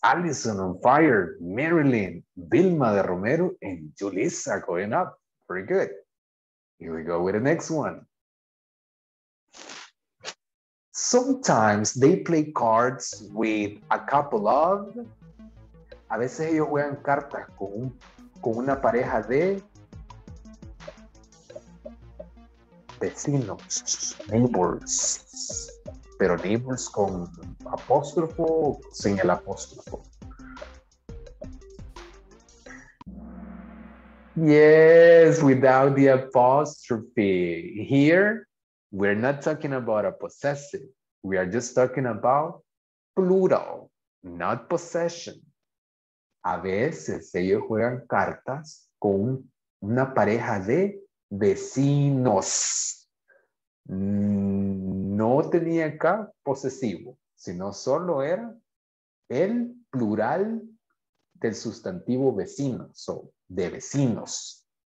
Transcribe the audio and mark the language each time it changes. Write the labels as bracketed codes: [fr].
[en] Allison on fire. Marilyn, Vilma de Romero, and Julissa going up. Very good. Here we go with the next one. Sometimes they play cards with a couple of... [es] A veces ellos juegan cartas con una pareja de... vecinos, neighbors. Pero neighbors con apóstrofo o sin el apóstrofo. [en] Yes, without the apostrophe. Here, we're not talking about a possessive. We are just talking about plural, not possession. [es] A veces ellos juegan cartas con una pareja de vecinos. No tenía acá posesivo, sino solo era el plural del sustantivo vecino, so de vecinos.